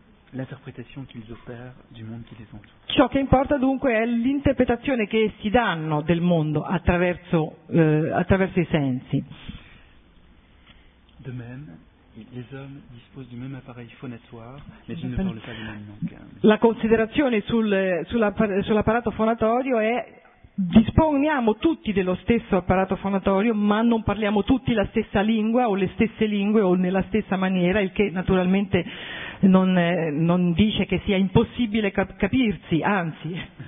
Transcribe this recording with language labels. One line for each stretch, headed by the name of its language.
French: L'interpretation qu'ils opèrent du monde qui les entoure.
Italian: Ciò che importa dunque è l'interpretazione che essi danno del mondo attraverso i sensi.
French: De même, les hommes disposent du même appareil phonatoire, mais ils ne parlent pas les mêmes langues.
Italian: La considerazione sull'apparato fonatorio è: disponiamo tutti dello stesso apparato fonatorio, ma non parliamo tutti la stessa lingua o le stesse lingue o nella stessa maniera, il che naturalmente non dice che sia impossibile capirsi, anzi.